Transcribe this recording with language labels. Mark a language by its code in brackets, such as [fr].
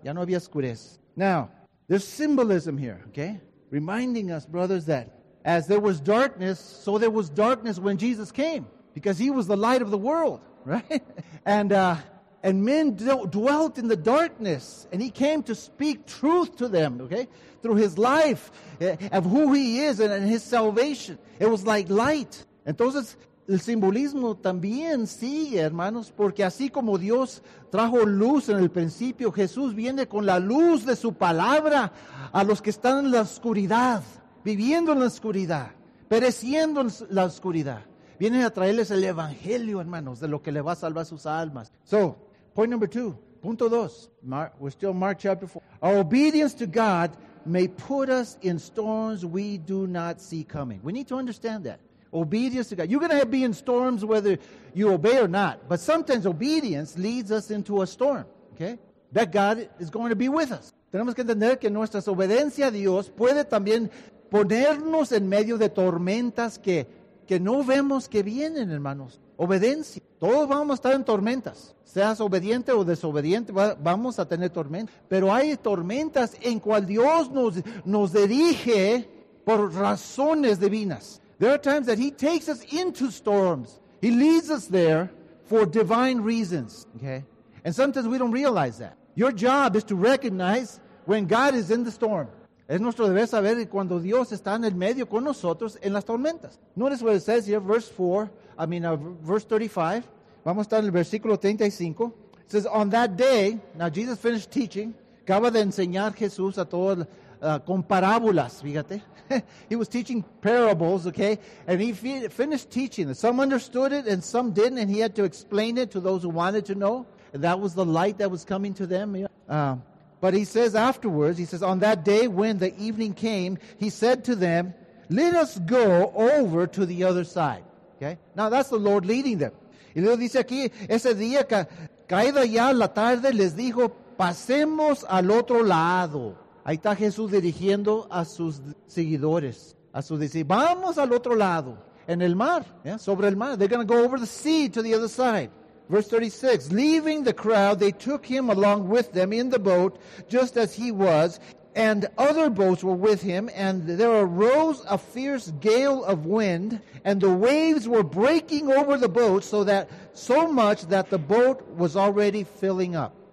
[es] Ya no había oscurez. [en] Now, there's symbolism here, okay? Reminding us, brothers, that as there was darkness, so there was darkness when Jesus came, because he was the light of the world, right? And men dwelt in the darkness, and he came to speak truth to them, okay? Through his life, of who he is and his salvation. It was like light. [es] Entonces, el simbolismo también sigue, hermanos, porque así como Dios trajo luz en el principio, Jesús viene con la luz de su palabra a los que están en la oscuridad, viviendo en la oscuridad, pereciendo en la oscuridad. Viene a traerles el evangelio, hermanos, de lo que le va a salvar sus almas. [en] So, point number two, [es] punto dos, [en] we're still Mark chapter 4. Our obedience to God may put us in storms we do not see coming. We need to understand that. Obedience to God. You're going to be in storms whether you obey or not. But sometimes obedience leads us into a storm. Okay? That God is going to be with us. [es] Tenemos que entender que nuestra obediencia a Dios puede también ponernos en medio de tormentas que no vemos que vienen, hermanos. Obediencia. Todos vamos a estar en tormentas. Seas obediente o desobediente, vamos a tener tormentas. Pero hay tormentas en cual Dios nos dirige por razones divinas. [en] There are times that he takes us into storms. He leads us there for divine reasons. Okay? And sometimes we don't realize that. Your job is to recognize when God is in the storm. [es] Es nuestro deber saber cuando Dios está en el medio con nosotros en las tormentas. [en] Notice what it says here, verse 35. [es] Vamos a estar en el versículo 35. [en] It says, on that day, now Jesus finished teaching. [es] Acaba de enseñar Jesús a todos con parábolas, fíjate. [en] He was teaching parables, okay? And he finished teaching. Some understood it and some didn't, and he had to explain it to those who wanted to know. And that was the light that was coming to them. But he says afterwards, he says, on that day when the evening came, he said to them, let us go over to the other side. Okay? Now that's the Lord leading them. [es] Y luego dice aquí, ese día, caída ya la tarde, les dijo, pasemos al otro lado. Ahí está Jesús dirigiendo a sus seguidores, a sus discípulos. Vamos al otro lado, en el mar, yeah, sobre el mar. [en] They're going to go over the sea to the other side. Verse 36, leaving the crowd, they took him along with them in the boat, just as he was, and other boats were with him, and there arose a fierce gale of wind, and the waves were breaking over the boat so much that the boat was already filling up.